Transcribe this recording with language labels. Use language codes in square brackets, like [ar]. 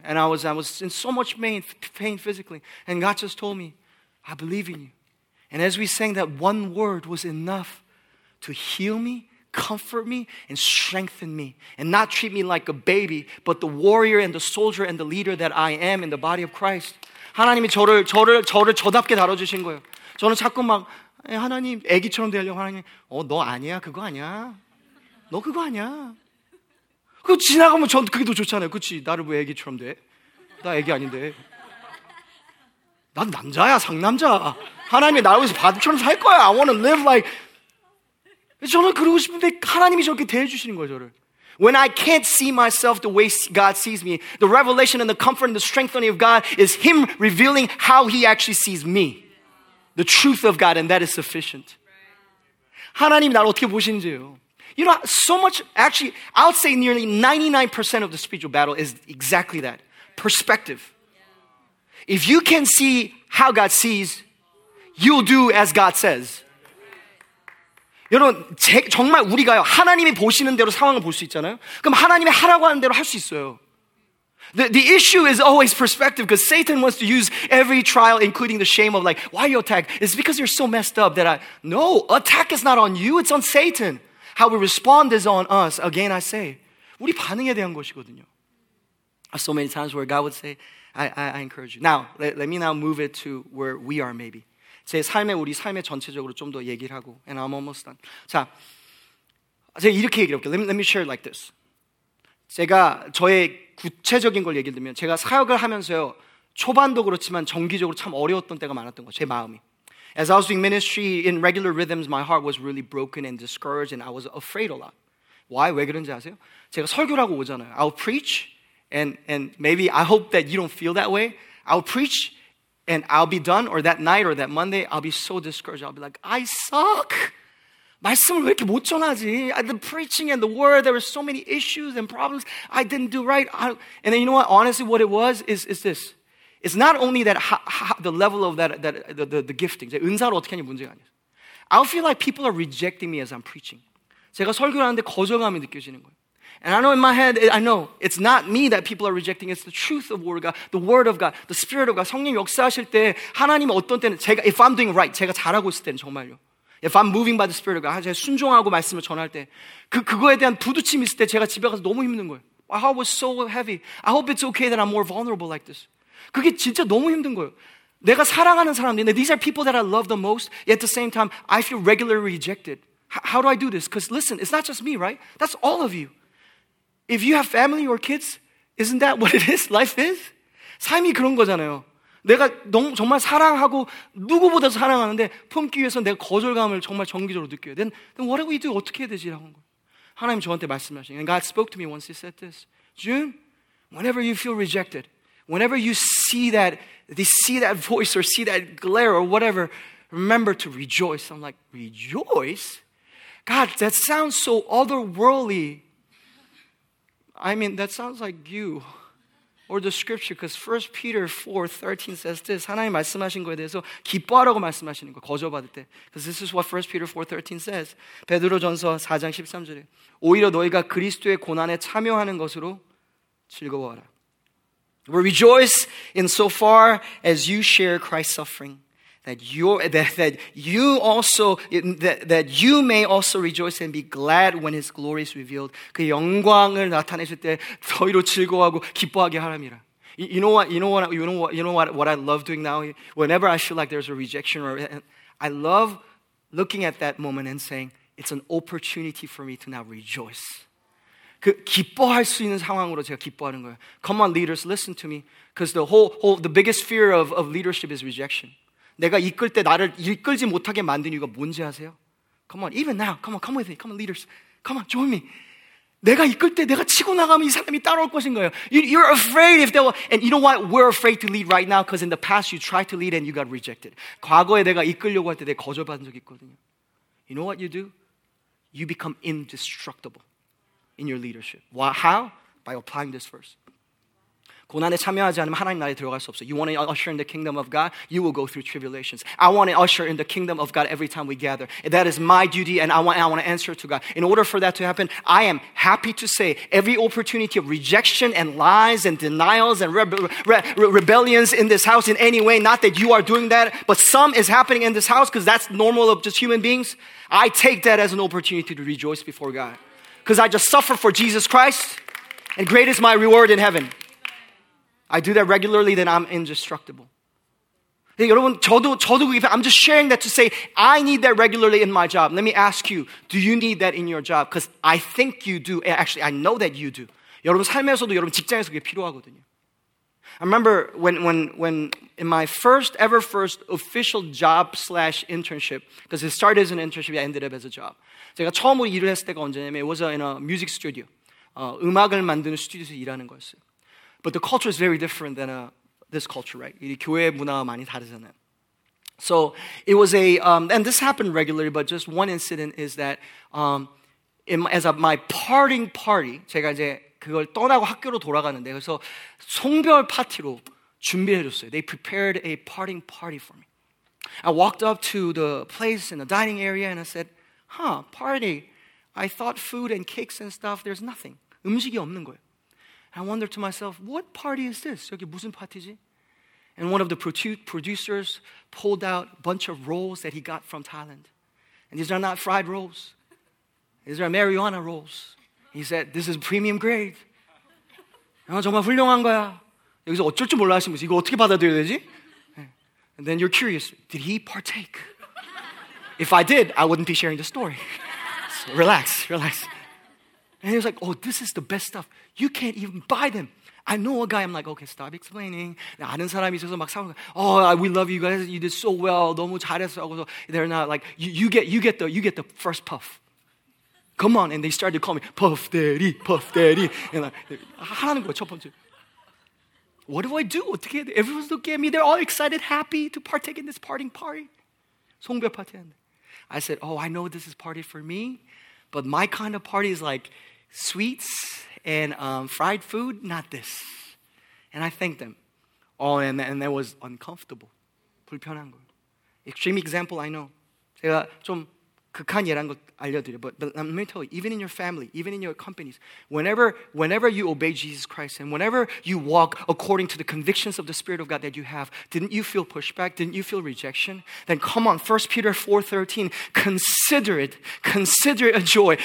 [en] And I was in so much pain physically and God just told me, I believe in you. And as we sang, that one word was enough to heal me, comfort me, and strengthen me. And not treat me like a baby, but the warrior and the soldier and the leader that I am in the body of Christ. [ko] 하나님이 저를 저답게 다뤄주신 거예요. 저는 자꾸 막, 하나님, 애기처럼 되려고 하나님, 너 아니야, 그거 아니야. 너 그거 아니야. 그거 지나가면 전 그게 더 좋잖아요. 그치, 나를 왜 애기처럼 돼? 나 애기 아닌데. 난 남자야, 상남자. 하나님이 나를 위해서 바둑처럼 살 거야. [en] I want to live like... [ko] 저는 그러고 싶은데 하나님이 저렇게 대해주시는 거예요, 저를. [en] When I can't see myself the way God sees me, the revelation and the comfort and the strengthening of God is Him revealing how He actually sees me. The truth of God, and that is sufficient. [ko] 하나님이 나를 어떻게 보시는지요. [en] You know, so much, actually, I'll say nearly 99% of the spiritual battle is exactly that. Perspective. If you can see how God sees, you'll do as God says. [ko] 여러분 정말 우리가요 하나님이 보시는 대로 상황을 볼 수 있잖아요. 그럼 하나님이 하라고 하는 대로 할 수 있어요. [en] The issue is always perspective because Satan wants to use every trial, including the shame of like, why you attack? It's because you're so messed up that I... No, attack is not on you. It's on Satan. How we respond is on us. Again, I say, [ko] 우리 반응에 대한 것이거든요. [en] So many times where God would say, I encourage you. Now, let me now move it to where we are maybe. [ko] 제 삶에, 우리 삶에 전체적으로 좀 더 얘기를 하고, [en] and I'm almost done. [ko] 자, 제가 이렇게 얘기를 해볼게요. [en] Let me share it like this. [ko] 제가 저의 구체적인 걸 얘기를 들면 제가 사역을 하면서요 초반도 그렇지만 정기적으로 참 어려웠던 때가 많았던 거예요 제 마음이 [en] As I was doing ministry in regular rhythms my heart was really broken and discouraged and I was afraid a lot Why? [ko] 왜 그런지 아세요? 제가 설교를 하고 오잖아요 [en] I'll preach and maybe I hope that you don't feel that way I'll preach and I'll be done or that night or that Monday I'll be so discouraged I'll be like I suck [ko] 말씀을 왜 이렇게 못 전하지? [en] The preaching and the word, there were so many issues and problems. I didn't do right. And then you know what? Honestly, what it was is this. It's not only that the level of the gifting. [ko] 은사를 어떻게 하는 문제가 아니에요. [en] I feel like people are rejecting me as I'm preaching. [ko] 제가 설교를 하는데 거절감이 느껴지는 거예요. [en] And I know in my head, I know it's not me that people are rejecting. It's the truth of word of God, the word of God, the spirit of God. [ko] 성령 역사하실 때 하나님 어떤 때는 제가 [en] if I'm doing right, [ko] 제가 잘하고 있을 때는 정말요. [en] If I'm moving by the Spirit of God, [ko] 제가 순종하고 말씀을 전할 때, 그거에 대한 부딪힘 있을 때 제가 집에 가서 너무 힘든 거예요. [en] My heart was so heavy. I hope it's okay that I'm more vulnerable like this. [ko] 그게 진짜 너무 힘든 거예요. 내가 사랑하는 사람들인데, [en] these are people that I love the most, yet at the same time, I feel regularly rejected. How do I do this? Because listen, it's not just me, right? That's all of you. If you have family or kids, isn't that what it is? Life is? [ko] 삶이 그런 거잖아요. 내가 정말 사랑하고 누구보다 사랑하는데 품기 위해서 내가 거절감을 정말 정기적으로 느껴요. [en] Then what do we do? [ko] 어떻게 해야 되지? 라고 한 거예요. 하나님 저한테 말씀하시는 거예요. [en] And God spoke to me once. He said this. June, whenever you feel rejected, whenever you see that voice or see that glare or whatever, remember to rejoice. I'm like, rejoice? God, that sounds so otherworldly. I mean, that sounds like you. Or the scripture, because 1 Peter 4, 13 says this. [ko] 하나님 말씀하신 거에 대해서 기뻐하라고 말씀하시는 거, 거저받을 때. [en] Because this is what 1 Peter 4, 13 says. [ko] 베드로 전서 4장 13절에. 오히려 너희가 그리스도의 고난에 참여하는 것으로 즐거워하라. [en] We rejoice in so far as you share Christ's suffering. That you may also rejoice and be glad when His glory is revealed. [ko] 그 영광을 나타내실 때 저희로 즐거워하고 기뻐하게 하랍니다. [en] You know what I love doing now. Whenever I feel like there's a rejection, or I love looking at that moment and saying it's an opportunity for me to now rejoice. [ko] 그 기뻐할 수 있는 상황으로 제가 기뻐하는 거예요. [en] Come on, leaders, listen to me. Because the biggest fear of leadership is rejection. [ko] 내가 이끌 때 나를 이끌지 못하게 만든 이유가 뭔지 아세요? [en] Come on, even now, come with me, come on, leaders, come on, join me. [ko] 내가 이끌 때 내가 치고 나가면 이 사람이 따라올 것인 거예요. [en] You're afraid if they will, and you know why we're afraid to lead right now? Because in the past you tried to lead and you got rejected. [ko] 과거에 내가 이끌려고 할 때 내가 거절받은 적이 있거든요. [en] You know what you do? You become indestructible in your leadership. Why? How? By applying this verse. [ko] 고난에 참여하지 않으면 하나님 나라에 들어갈 수 없어요. [en] You want to usher in the kingdom of God? You will go through tribulations. I want to usher in the kingdom of God every time we gather. That is my duty and I want to answer to God. In order for that to happen, I am happy to say every opportunity of rejection and lies and denials and rebellions in this house in any way, not that you are doing that, but some is happening in this house because that's normal of just human beings. I take that as an opportunity to rejoice before God because I just suffer for Jesus Christ and great is my reward in heaven. I do that regularly, then I'm indestructible. Hey, [ko] 여러분, 저도 그게, [en] I'm just sharing that to say, I need that regularly in my job. Let me ask you, do you need that in your job? Because I think you do. Actually, I know that you do. [ko] 여러분, 삶에서도 여러분 직장에서 그게 필요하거든요. [en] I remember when in my first official job / internship, because it started as an internship, I ended up as a job. [ko] 제가 처음으로 일을 했을 때가 언제냐면, [en] it was in a music studio. [ko] 음악을 만드는 스튜디오에서 일하는 거였어요. [en] But the culture is very different than this culture, right? [ko] 이 교회 문화가 많이 다르잖아요. [en] So it was a, and this happened regularly, but just one incident is that my parting party, [ko] 제가 이제 그걸 떠나고 학교로 돌아가는데, 그래서 송별 파티로 준비를 해줬어요. [en] They prepared a parting party for me. I walked up to the place in the dining area and I said, huh, party. I thought food and cakes and stuff, there's nothing. [ko] 음식이 없는 거예요. [en] I wonder to myself, what party is this? [ko] 여기 무슨 파티지? [en] And one of the producers pulled out a bunch of rolls that he got from Thailand. And these are not fried rolls. These are marijuana rolls. He said, this is premium grade. [ko] 아, 정말 훌륭한 거야. 여기서 어쩔 줄 몰라 하시면서 이거 어떻게 받아들여야 되지? [en] And then you're curious, did he partake? If I did, I wouldn't be sharing the story. So relax, relax. And he was like, oh, this is the best stuff. You can't even buy them. I know a guy. I'm like, okay, stop explaining. [ko] 아는 사람이 있어서 막 사오는 거. [en] Oh, we love you guys. You did so well. [ko] 너무 잘했어. [en] They're not like, you get the first puff. Come on. And they started to call me, Puff Daddy, Puff Daddy. And like, [ko] 하라는 거야, 첫 번째. [en] What do I do? [ko] 어떻게 해야 돼? [en] Everyone's looking at me. They're all excited, happy to partake in this parting party. [ko] 송별 파티인데. [en] I said, oh, I know this is party for me. But my kind of party is like sweets and fried food, not this. And I thanked them. Oh, and that was uncomfortable. [ko] 불편한 거. [en] Extreme example, I know. [ko] 제가 좀 극한 예란 것 알려드려. [en] But let me tell you, even in your family, even in your companies, whenever you obey Jesus Christ and whenever you walk according to the convictions of the Spirit of God that you have, didn't you feel pushback? Didn't you feel rejection? Then come on, 1 Peter 4:13, consider it a joy.